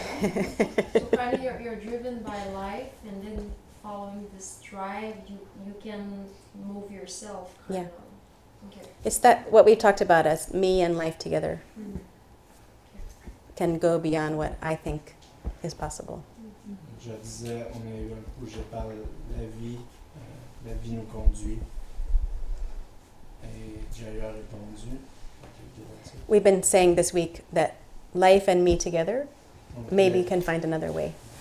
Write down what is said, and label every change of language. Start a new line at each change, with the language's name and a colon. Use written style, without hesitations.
English: So finally you're driven by life, and then following this drive, you can move yourself. Kind yeah. of. Okay. It's that what we talked about as me and life together can go beyond what I think is possible.
French: Je disais, on a eu un coup, je parle la vie nous conduit. Et j'ai eu répondu.
English: We've been saying this week that life and me together maybe can find another way.